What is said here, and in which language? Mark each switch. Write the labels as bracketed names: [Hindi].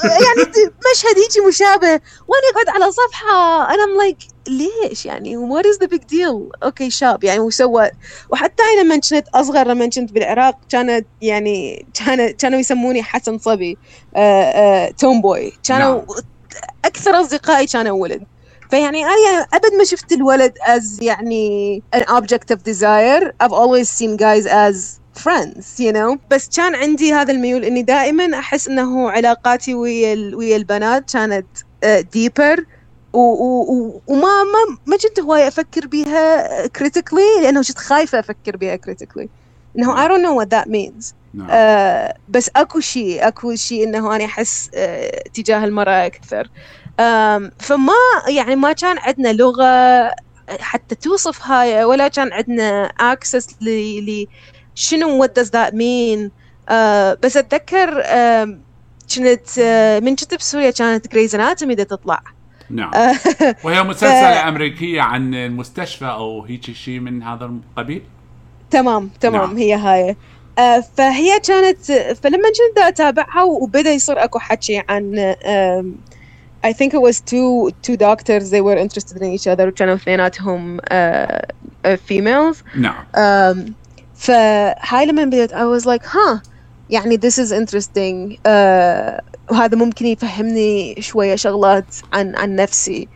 [Arabic] يعني مشهد يجي مشابه وأنا أقعد على صفحة أنا [English] I'm like [Arabic] ليش يعني [English] what is the big deal okay [Arabic] شاب يعني وسوى، وحتى أنا لما كنت أصغر لما كنت بالعراق كانت يعني كانوا يسموني حسن صبي تومبوي، كانوا أكثر أصدقائي كانوا ولد، فيعني أنا أبد ما شفت الولد as يعني [English] an object of desire. I've always seen guys as friends, you know. [Arabic] بس كان عندي هذا الميول إني دائما أحس إنه علاقاتي ويا البنات كانت [English] deeper [Arabic] وما كنت هواي أفكر بها [English] critically [Arabic] لأنه كنت خايفة أفكر بها critically. [English] إنه I don't know what that means. [Arabic] بس أكو شيء إنه أنا أحس تجاه المرأة أكثر. فما يعني ما كان عندنا لغة حتى توصف هاي، ولا كان عندنا access ل شنو [English] what does that mean. [Arabic] بس أتذكر كنت من كنت بسوريا كانت Grey's Anatomy دي تطلع. نعم. وهي مسلسلة أمريكية عن المستشفى أو هيك شيء من هذا القبيل. تمام. نعم. هي هاي. فهي كانت فلما كنت أتابعها وبدأ يصير أكو حكي عن [English] I think it was two doctors. They were interested in each other. [Arabic] كانوا اثنيناتهم [English] females. [Arabic] نعم. فهاي لما بدأت [English] I was like huh [Arabic] يعني [English] this is interesting. [Arabic] وهذا ممكن يفهمني شوية شغلات عن نفسي.